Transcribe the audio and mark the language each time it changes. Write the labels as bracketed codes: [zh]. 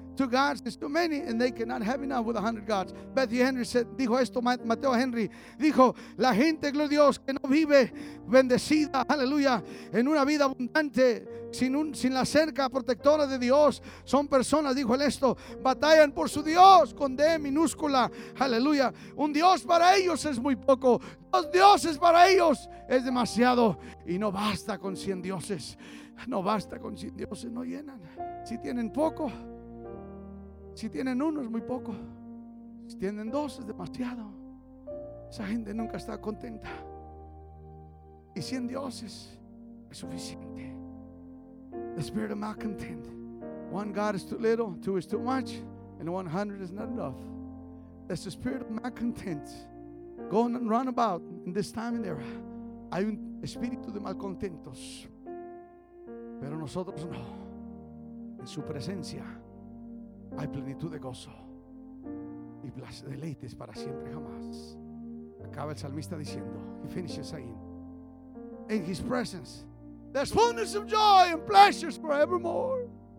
[en] Two gods is too many, and they cannot have enough with 100 gods. Matthew Henry said, [es] dijo esto, Mateo Henry, dijo, la gente, gloria a Dios, que no vive bendecida, aleluya, en una vida abundante, sin la cerca protectora de Dios, son personas, dijo él esto, batallan por su Dios, con D minúscula, aleluya, un Dios para ellos es muy poco, dos dioses para ellos es demasiado, y no basta con 100 dioses, no basta con 100 dioses, no llenan, si tienen poco, si tienen uno es muy poco, si tienen dos es demasiado. Esa gente nunca está contenta. Y 100 dioses es suficiente. [en] The spirit of malcontent. One God is too little, two is too much, and 100 is not enough. That's the spirit of malcontent going and run about in this time and era. [es] Hay un espíritu de malcontentos, pero nosotros no. En su presencia hay plenitud de gozo y deleites para siempre jamás. Acaba el salmista diciendo, [en] he finishes saying, in his presence there's fullness of joy and pleasures forevermore.